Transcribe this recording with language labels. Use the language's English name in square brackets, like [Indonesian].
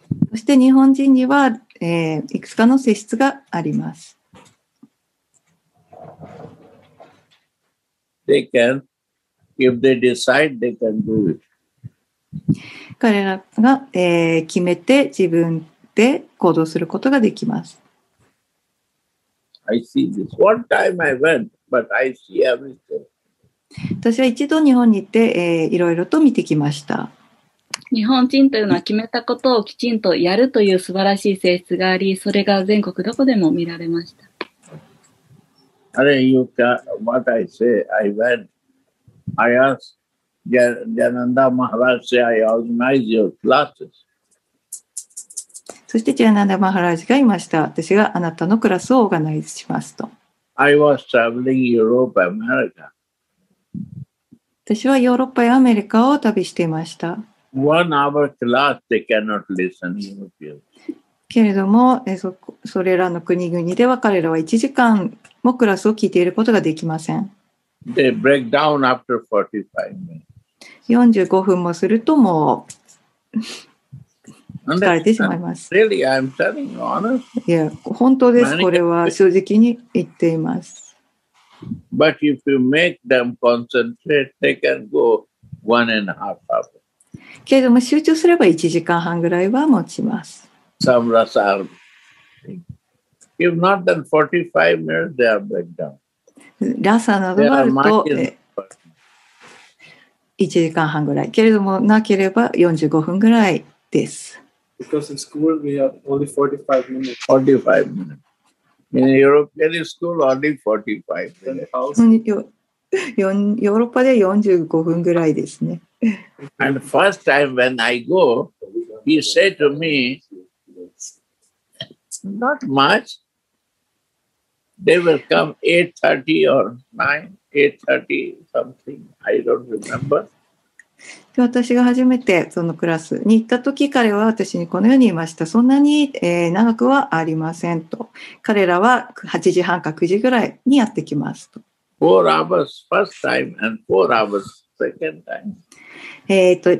[Japanese] そして日本人には、いくつかの性質があります。 [English] They can. If they decide, they can do it. [Japanese] 彼らが、決めて自分で行動することができます。 [English] I see this. One time I went, but I see everything. [Japanese] 私は一度日本に行って、いろいろと見てきました。日本人というのは決めたことをきちんとやるという素晴らしい性質があり、それが全国どこでも見られました。 [English] あれ、you can, what I say, I went. I asked Jayananda Maharaj, say, I organize your classes. [Japanese] そしてジャナンダマハラジがいました。私があなたのクラスをオーガナイズしますと。 [English] I was traveling Europe, America. [Japanese] 私はヨーロッパやアメリカを旅していました。 [English] One hour class, they cannot listen to you. [Japanese] けれども、それらの国々では彼らは1時間もクラスを聞いていることができません。 [English] They break down after 45 minutes. [Japanese] 45分もするともう疲れてしまいます。 [English] Really, I'm telling you honestly. [Japanese] いや、本当です。これは正直に言っています。 [English] But if you make them concentrate, they can go 1.5 hours. [Japanese] けれども集中すれば1時間半ぐらいは持ちます。 [English] Some rasa. If not, then 45 minutes they are break down. [Japanese] ラサなどがあると1時間半ぐらい、けれどもなければ45分ぐらいです。 [English] Because in school we have only 45 minutes. 45 minutes. In European school only 45 minutes. [Japanese] ヨーロッパで45分ぐらいですね。 [English] And first time when I go, he said to me, not much. They will come 8:30 or 9, 8:30 something, I don't remember. [Japanese] 私が初めてそのクラスに行ったとき、彼は私にこのように言いました。そんなに、長くはありませんと。彼らは8時半か9時ぐらいにやってきますと。 [English] 4 hours first time and 4 hours second time.